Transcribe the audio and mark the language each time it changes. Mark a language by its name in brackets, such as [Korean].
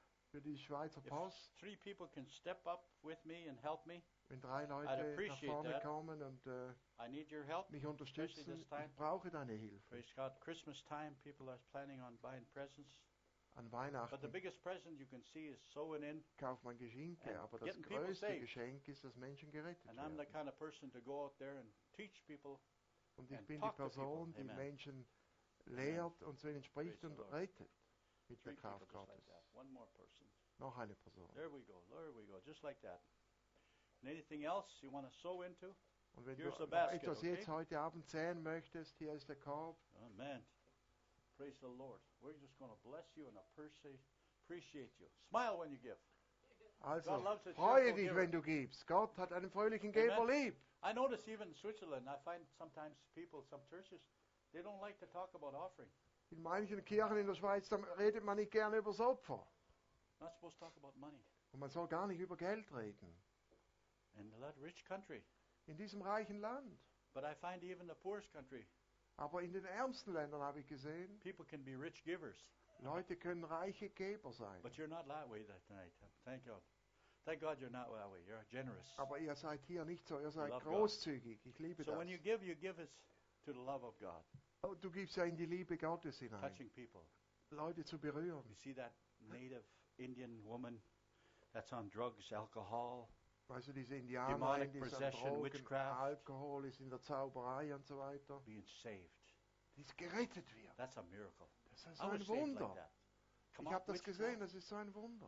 [German] Für die Schweizer Post. [English] If three people can step up with me and help me. [German] Wenn drei Leute nach vorne kommen und [English] I need your help, [German] mich unterstützen. [English] This time. [German] Ich brauche deine Hilfe. [English] Praise God. Christmas time, people are planning on buying presents. [German] An Weihnachten. [English] But the biggest present you can see is sowing in. [German] Kauft man Geschenke, aber das größte Geschenk ist, dass Menschen gerettet werden. [English] And I'm the kind of person to go out there and teach people. [German] Und ich bin die Person, die Menschen lehrt und zu ihnen spricht und rettet mit der Kraft Gottes. [English] One more person. [German] Noch eine Person. [English] There we go. There we go. Just like that. And anything else you want to sow into? [German] Und wenn du etwas jetzt heute Abend sehen möchtest, hier ist der Korb. [English] Amen. Praise the Lord. We're just going to bless you and appreciate you. Smile when you give. Also, God loves it. [German] Freue dich, wenn du gibst. Gott hat einen fröhlichen Geber lieb. [English] I notice even in Switzerland, I find sometimes people, some churches, they don't like to talk about offering. [German] In manchen Kirchen in der Schweiz, da redet man nicht gerne über das Opfer. [English] Not supposed to talk about money. [German] Und man soll gar nicht über Geld reden. [English] In that rich country. [German] In diesem reichen Land. [English] But I find even the poorest country. [German] Aber in den ärmsten Ländern habe ich gesehen, [English] people can be rich givers. [German] Leute können reiche Geber sein. [English] But you're not that way tonight. Thank God. Thank God you're not that way. You're generous. [German] Aber ihr seid hier nicht so. Ihr seid großzügig. [English] God. [German] Ich liebe so das. [English] So when you give it to the love of God. [German] Oh, du gibst ja in die Liebe Gottes hinein. [English] Touching people. [German] Leute zu berühren. [English] You see that native Indian woman that's on drugs, alcohol. [German] Weißt du, diese Indianer, diese Drogen, Alkohol ist in der Zauberei und so weiter. [English] Being saved. [German] Die ist gerettet wird. [English] That's a miracle. [German] Das ist ein Wunder. Ich habe das gesehen, das ist so ein Wunder.